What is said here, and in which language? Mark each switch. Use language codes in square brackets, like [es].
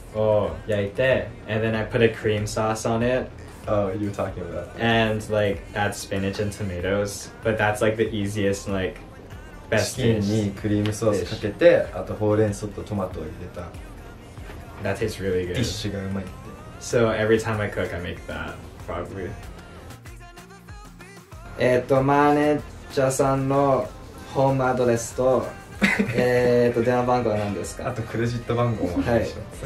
[ja] を焼いて、 [en] and then I put a cream sauce on it. Oh, you were talking about that. And like add spinach and tomatoes, but that's like the easiest like best [ja] dish. チキンにクリームソースかけて、あとほうれん草とトマトを入れた。 [en] That tastes really good. [ja] ディッシュがうまいって。 [en] So every time I cook, I make that probably. [ja] マネージャーさんのホームアドレスと電話番号は何ですか。あとクレジット番号もお願いします。